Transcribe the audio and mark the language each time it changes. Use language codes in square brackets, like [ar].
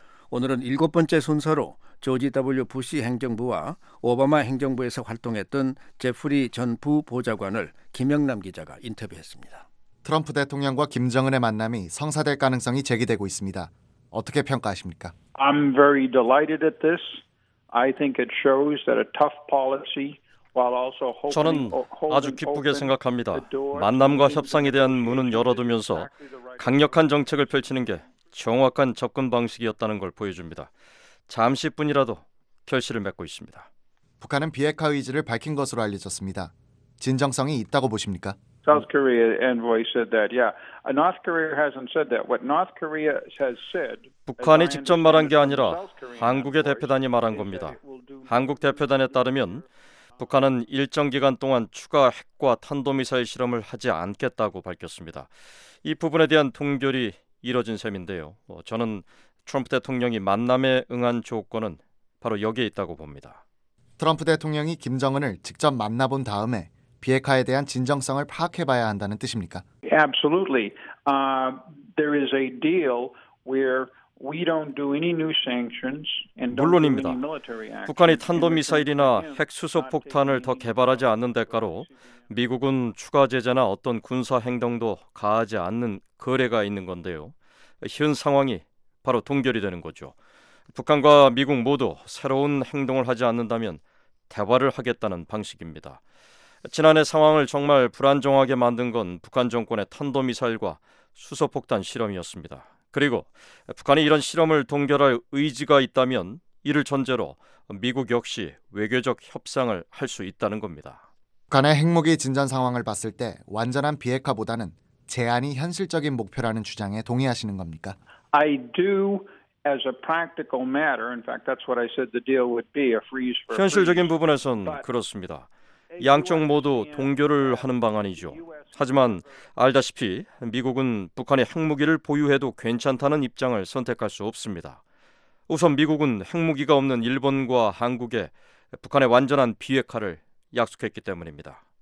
[ko] 오늘은 일곱 번째 순서로 조지 W. 부시 행정부와 오바마 행정부에서 활동했던 제프리 전 부보좌관을 김영남 기자가 인터뷰했습니다. 트럼프 대통령과 김정은의 만남이 성사될 가능성이 제기되고 있습니다. 어떻게 평가하십니까? [en] I'm very delighted at this. I think it shows that a tough policy [ko] 저는 아주 기쁘게 생각합니다. 만남과 협상에 대한 문은 열어두면서 강력한 정책을 펼치는 게 정확한 접근 방식이었다는 걸 보여줍니다. 잠시뿐이라도 결실을 맺고 있습니다. 북한은 비핵화 의지를 밝힌 것으로 알려졌습니다. 진정성이 있다고 보십니까? [en] South Korea envoy said that. Yeah, North Korea hasn't said that. What North Korea has said. [ko] 북한이 직접 말한 게 아니라 한국의 대표단이 말한 겁니다. 한국 대표단에 따르면 북한은 일정 기간 동안 추가 핵과 탄도미사일 실험을 하지 않겠다고 밝혔습니다. 이 부분에 대한 통결이 이뤄진 셈인데요. 저는 트럼프 대통령이 만남에 응한 조건은 바로 여기에 있다고 봅니다. 트럼프 대통령이 김정은을 직접 만나본 다음에 비핵화에 대한 진정성을 파악해봐야 한다는 뜻입니까? [en] Absolutely. There is a deal where we don't do any new sanctions and don't do any military action. [ko] 북한이 탄도미사일이나 핵수소폭탄을 더 개발하지 않는 대가로 미국은 추가 제재나 어떤 군사 행동도 가하지 않는 거래가 있는 건데요. 현 상황이 바로 동결이 되는 거죠. 북한과 미국 모두 새로운 행동을 하지 않는다면 대화를 하겠다는 방식입니다. 지난해 상황을 정말 불안정하게 만든 건 북한 정권의 탄도미사일과 수소폭탄 실험이었습니다. 그리고 북한이 이런 실험을 동결할 의지가 있다면 이를 전제로 미국 역시 외교적 협상을 할 수 있다는 겁니다. 북한의 핵무기 진전 상황을 봤을 때 완전한 비핵화보다는 제한이 현실적인 목표라는 주장에 동의하시는 겁니까? [en] I do. As a practical matter, in fact, that's what I said the deal would be, a freeze. [ko] 현실적인 부분에선 그렇습니다. 양쪽 모두 동결을 하는 방안이죠. 하지만 알다시피 미국은 북한이 핵무기를 보유해도 괜찮다는 입장을 선택할 수 없습니다. 우선 미국은 핵무기가 없는 일본과 한국에 북한의 완전한 비핵화를 약속했기 때문입니다.